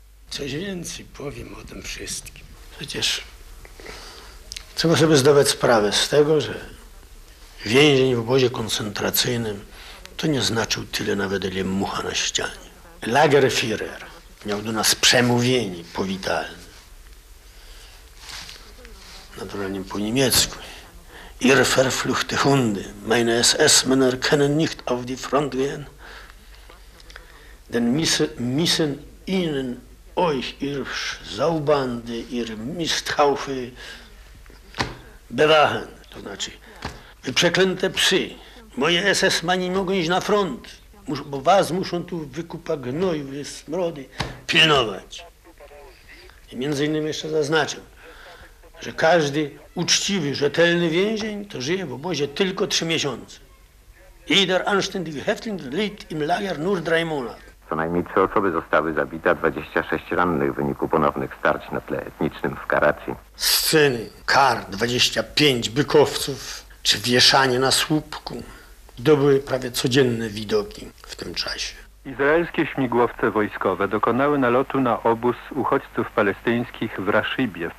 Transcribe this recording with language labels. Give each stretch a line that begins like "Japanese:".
Polish: Coś więcej powiem o tym wszystkim. Przecież trzeba sobie zdawać sprawę z tego, że więzień w obozie koncentracyjnym to nie znaczył tyle nawet, ile mucha na ścianie. Lagerführer miał do nas przemówienie powitalne. Naturalnie po niemiecku.
German: Ihr verfluchte Hunde, meine SS-Männer können nicht auf die Front gehen, denn müssen ihnen euch, ihr Saubande, ihr Misthaufe, bewachen.
Polish: To znaczy, wy przeklęte psy, moje SS-mani mogą iść na front, bo was muszą tu wykupa gnoju, wy smrody, pilnować. I między innymi jeszcze zaznaczę, że każdy uczciwy, rzetelny więzień to żyje w obozie tylko 3 miesiące.
German: Jeder anständige Häftling lebt im Lager nur 3 Monate.
Polish: Co najmniej 3 osoby zostały zabite, 26 rannych w wyniku ponownych starć na tle etnicznym w Karacji. Sceny kar, 25 bykowców czy wieszanie na słupku. To były prawie codzienne widoki w tym czasie. Izraelskie śmigłowce wojskowe dokonały nalotu na obóz uchodźców palestyńskich w Raszybie.